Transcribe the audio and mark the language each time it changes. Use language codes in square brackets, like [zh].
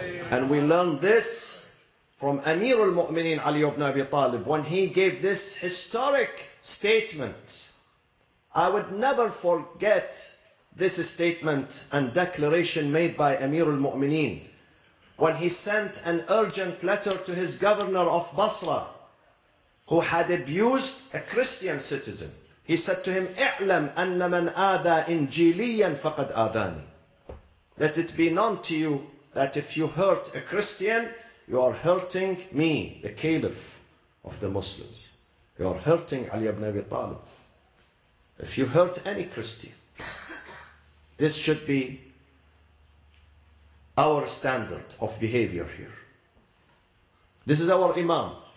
[en] And we learn this from Amir al-Mu'mineen Ali ibn Abi Talib when he gave this historic statement. I would never forget this statement and declaration made by Amir al-Mu'mineen when he sent an urgent letter to his governor of Basra who had abused a Christian citizen. He said to him, [ar] اعلم أن من آذى إنجيليا فقد آذاني. [en] Let it be known to you that if you hurt a Christian, you are hurting me, the Caliph of the Muslims. You are hurting Ali ibn Abi Talib. If you hurt any Christian, this should be our standard of behavior here. This is our Imam.